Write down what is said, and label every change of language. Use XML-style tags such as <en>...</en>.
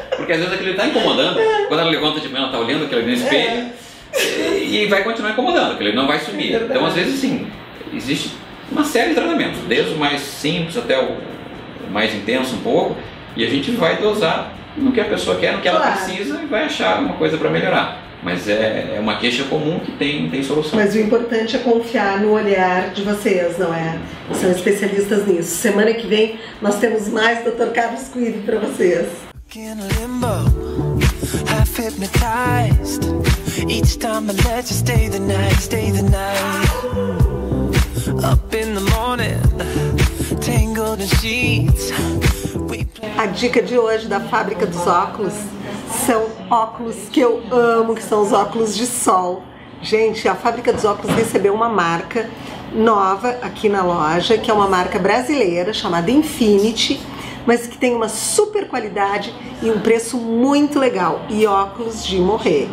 <pt>Porque às vezes aquilo está incomodando, quando ela levanta de manhã, ela está olhando aquilo ali no espelho, e vai continuar incomodando, aquilo ali não vai sumir. É, então às vezes sim, existe uma série de tratamentos, desde o mais simples até o mais intenso um pouco, e a gente vai dosar no que a pessoa quer, no que ela precisa, e vai achar uma coisa para melhorar. Mas é uma queixa comum que tem solução. Mas o importante é confiar no olhar de vocês, não é? São especialistas nisso. Semana que vem nós temos mais Dr. Carlos Cuivi para vocês.</pt> <en>In a limbo, half hypnotized. Each time I let you stay the night, stay the night. Up in the morning, tangled in sheets.</en> <pt>A dica de hoje da Fábrica dos Óculos são óculos que eu amo, que são os óculos de sol. Gente, a Fábrica dos Óculos recebeu uma marca nova aqui na loja, que é uma marca brasileira chamada Infinity, mas que tem uma super qualidade e um preço muito legal, e óculos de morrer.</pt>